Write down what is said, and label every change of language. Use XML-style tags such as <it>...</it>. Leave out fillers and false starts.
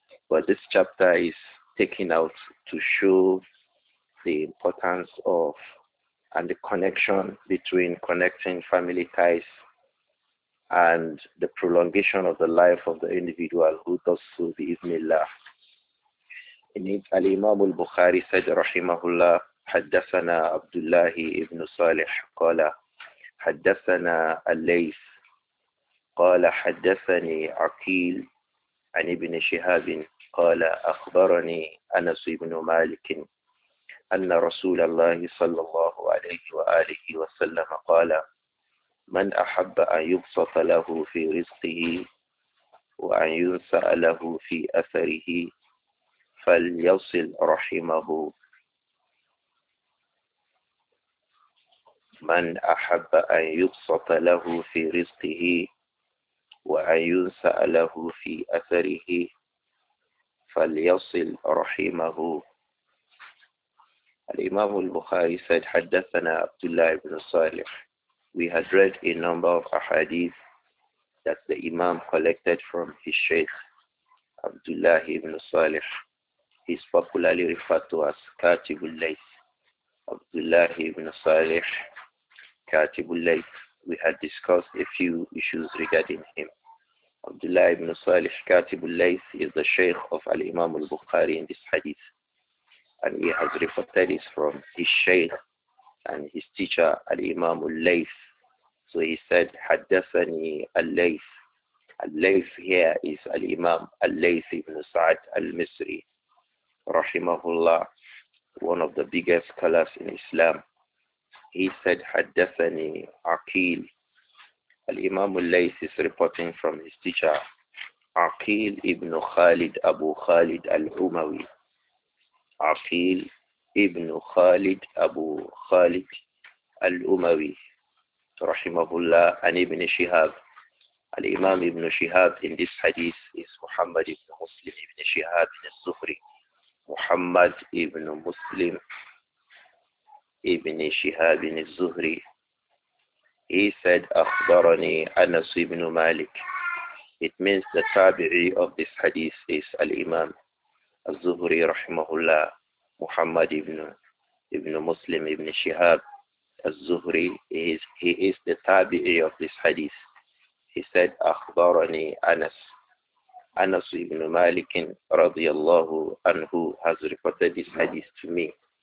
<en>But this chapter is taken out to show the importance of and the connection between connecting family ties and the prolongation of the life of the individual who does so bi-ithnillah. In it, Al-Imam al-Bukhari said,</en> <ar>Rahimahullah, حدثنا عبد الله ابن صالح قال حدثنا الليث قال حدثني عقيل عن ابن شهاب قال أخبرني أنس بن مالك أن رسول الله صلى الله عليه وآله وسلم قال من أحب أن يبسط له في رزقه وأن ينسأ له في أثره فليصل رحمه. من أحب أن يبسط له في رزقه وأن ينسأ له في أثره فليصل رحمه. الإمام البخاري said حدثنا عبد الله بن صالح.</ar> <en>We had read a number of ahadith that the Imam collected from his Sheikh Abdullah ibn Salih. He is popularly referred to as Katib al-Layth. Abdullah ibn Salih, Katib al-Layth. We had discussed a few issues regarding him. Abdullah ibn Salih, Katib al-Layth, is the Sheikh of Al-Imam al-Bukhari in this hadith. And he has reported this from his Sheikh and his teacher, Al-Imam al-Layth. So he said, حدثني al-Layth. Al-Layth here is Al-Imam al-Layth ibn Sa'd al-Misri, rahimahullah, one of the biggest scholars in Islam. He said,</en> <ar>حدثني عقيل.</ar> <en>Al-Imam al-Layth is reporting from his teacher, عقيل ibn Khalid Abu Khalid al-Umawi.</en> <ar>عقيل ابن خالد أبو خالد الأموي رحمه الله عن ابن شهاب. الإمام ابن شهاب</ar> <en>in this hadith is</en> <ar>محمد ابن مسلم ابن شهاب ابن الزهري. محمد ابن مسلم ابن شهاب ابن الزهري.</ar> <en>He said</en> <ar>أخبرني أنس ابن مالك.</ar> <en>It means the تابعي of this hadith is</en> <ar>الإمام الزهري رحمه الله.</ar> <en>Muhammad ibn Muslim ibn Shihab al-Zuhri, he is the tabi'i of this hadith. He said, أخبرني Anas. Anas ibn Malik radiyallahu anhu has reported this hadith to me.</en>